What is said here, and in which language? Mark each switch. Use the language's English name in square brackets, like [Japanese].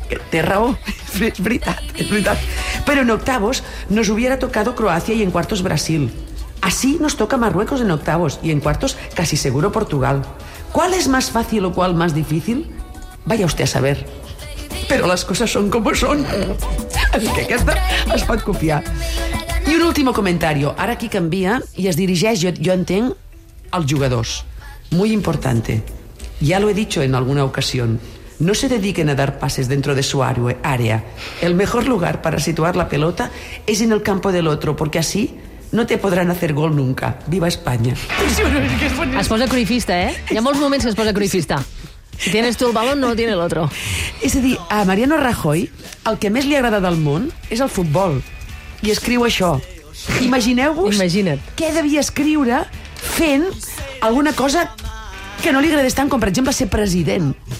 [Catalan] Té raó, és veritat. [Spanish] Pero en octavos nos hubiera tocado Croacia y en cuartos Brasil. Así nos toca Marruecos en octavos y en cuartos casi seguro Portugal. ¿Cuál es más fácil o cuál más difícil? Vaya usted a saber. Pero las cosas son como son. Así que [Catalan] aquesta es pot copiar. I [Spanish] un último comentario. [Catalan] Ara aquí canvia i es dirigeix, jo entenc, als jugadors. [Spanish] Muy importante. Ya lo he dicho en alguna ocasión. No se dediquen a dar pases dentro de su área. El mejor lugar para situar la pelota es en el campo del otro, porque así no te podrán hacer gol nunca. Viva España. [Catalan] Es posa cruifista, eh? Hi ha molts moments que es posa cruifista. [Spanish] Si tienes tú el balón, no lo tiene el otro. [Catalan] És a dir, a Mariano Rajoy, el que més li agrada del món és el futbol. I escriu això. Imagineu-vos què devia escriure fent alguna cosa que no li agradés tant, com per exemple ser president.